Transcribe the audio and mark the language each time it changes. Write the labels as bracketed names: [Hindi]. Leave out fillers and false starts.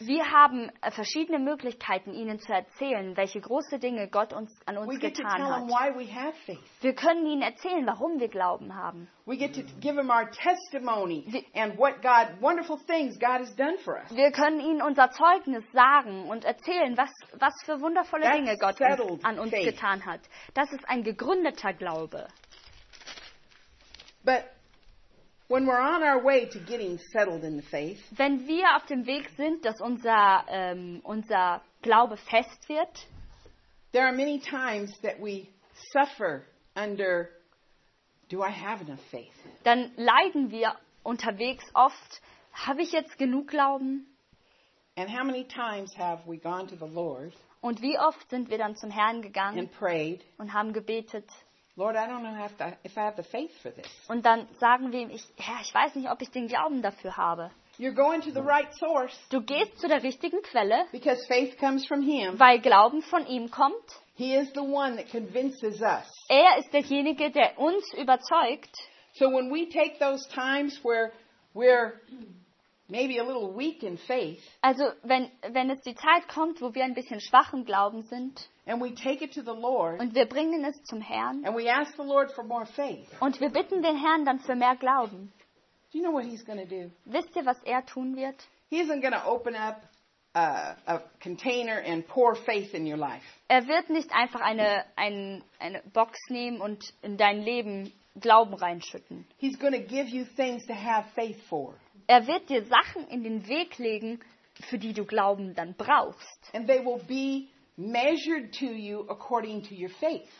[German] Wir haben verschiedene Möglichkeiten, ihnen zu erzählen, welche große Dinge Gott uns an uns getan hat. [English] We get to tell them why we have faith. [German] Wir können ihnen erzählen, warum wir Glauben haben. [English] We get to give them our testimony and what God wonderful things God has done for us. [German] Wir können ihnen unser Zeugnis sagen und erzählen, was für wundervolle Dinge Gott an uns getan hat. Das ist ein gegründeter Glaube. [English] But when we're on our way to getting settled in the faith, [German] wenn wir auf dem Weg sind, dass unser Glaube fest wird, [English] there are many times that we suffer under, do I have enough faith? [German] Dann leiden wir unterwegs oft, habe ich jetzt genug Glauben? [English] And how many times have we gone to the Lord? [German] Und wie oft sind wir dann zum Herrn gegangen [English] and prayed, [German] und haben gebetet? [English] Lord, I don't know if I have the faith for this. [German] Und dann sagen wir ihm, ich weiß nicht, ob ich den Glauben dafür habe. [English] You're going to the right source. [German] Du gehst zu der richtigen Quelle. [English] Because faith comes from him. [German] Weil Glauben von ihm kommt. [English] He is the one that convinces us. [German] Er ist derjenige, der uns überzeugt. [English] So when we take those times where we're maybe a little weak in faith. [German] Also wenn es die Zeit kommt, wo wir ein bisschen schwach im Glauben sind. [English] And we take it to the Lord. [German] Und wir bringen es zum Herrn. [English] And we ask the Lord for more faith. [German] Und wir bitten den Herrn dann für mehr Glauben. [English] Do you know what he's going to do? [German] Wisst ihr, was er tun wird? [English] He isn't going to open up a container and pour faith in your life. [German] Er wird nicht einfach eine Box nehmen und in dein Leben Glauben reinschütten. [English] He's going to give you things to have faith for. [German] Er wird dir Sachen in den Weg legen, für die du Glauben dann brauchst. [English] And they will be measured to you according to your faith.